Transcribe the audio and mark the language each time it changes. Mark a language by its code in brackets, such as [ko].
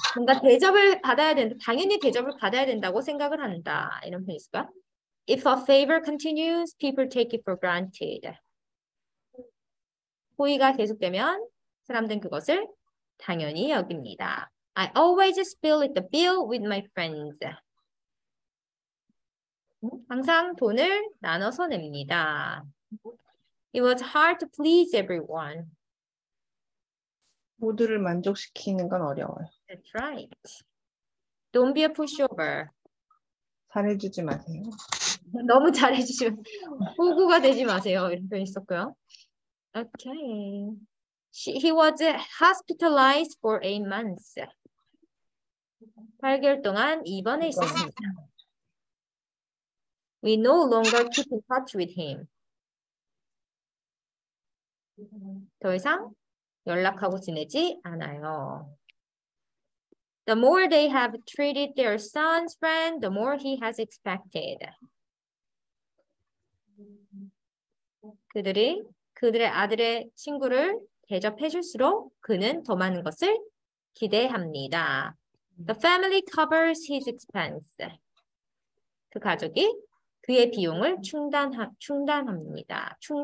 [ko] 뭔가 대접을 받아야 된다. 당연히 대접을 받아야 된다고 생각을 한다. 이런 표현 있을까요? [en] If a favor continues, people take it for granted. [ko] 호의가 계속되면 사람들은 그것을 당연히 여깁니다. [en] I always split the bill with my friends. [ko] 항상 돈을 나눠서 냅니다. [en] It was hard to please everyone. [ko] 모두를 만족시키는 건 어려워요. [en] That's right. Don't be a pushover. [ko] 잘해주지 마세요. 너무 잘해주시면 호구가 되지 마세요. 이런 표현이 있었고요. [en] Okay. He was hospitalized for 8 months. [ko] 8개월 동안 입원해 있었습니다. [en] We no longer keep in touch with him. [ko] 더 이상 연락하고 지내지 않아요. [en] The more they have treated their son's friend, the more he has expected. [ko] 그들이 그들의 아들의 친구를 대접해줄수록 그는 더 많은 것을 기대합니다. [en] The family covers his expense. [ko] 그 가족이 그의 비용을 충당합니다.